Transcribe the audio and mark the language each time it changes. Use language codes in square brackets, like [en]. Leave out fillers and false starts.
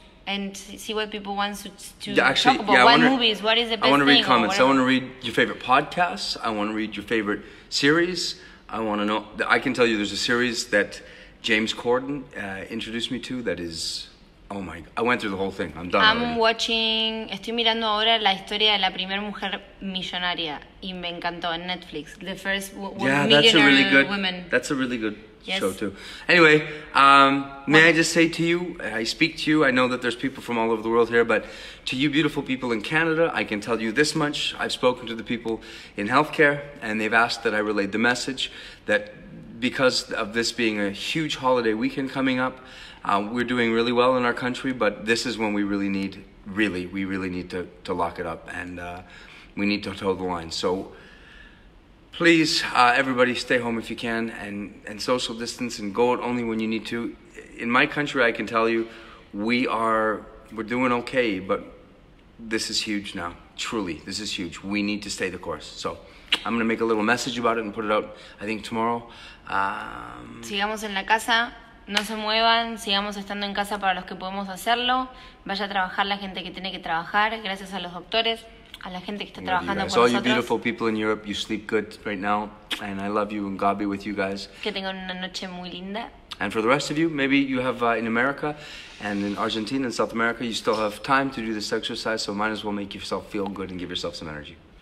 [en] and see what people want to talk about. Yeah, what movies? What is the best I want to read thing, comments. I want to read your favorite podcasts. I want to read your favorite series. I want to know. I can tell you there's a series that James Corden introduced me to that is, oh my, I went through the whole thing. I'm done. [es] Estoy mirando ahora la historia de la primera mujer millonaria y me encantó en Netflix. [en] The first woman. That's a really good show too. Anyway, I just say to you, I speak to you, I know that there's people from all over the world here, but to you beautiful people in Canada, I can tell you this much. I've spoken to the people in healthcare and they've asked that I relay the message that because of this being a huge holiday weekend coming up, we're doing really well in our country, but this is when we really need to lock it up and we need to toe the line. So please, everybody stay home if you can and social distance and go out only when you need to. In my country, I can tell you, we're doing okay, but this is huge now. Truly, this is huge. We need to stay the course. So I'm gonna make a little message about it and put it out, I think, tomorrow. [es] Sigamos en la casa. No se muevan, sigamos estando en casa para los que podemos hacerlo. Vaya a trabajar la gente que tiene que trabajar, gracias a los doctores, a la gente que está trabajando por nosotros. [en] All you beautiful people in Europe, you sleep good right now, and I love you and God be with you guys. [es] Que tengan una noche muy linda. [en] And for the rest of you, maybe you have in America, and in Argentina and South America, you still have time to do this exercise, so might as well make yourself feel good and give yourself some energy.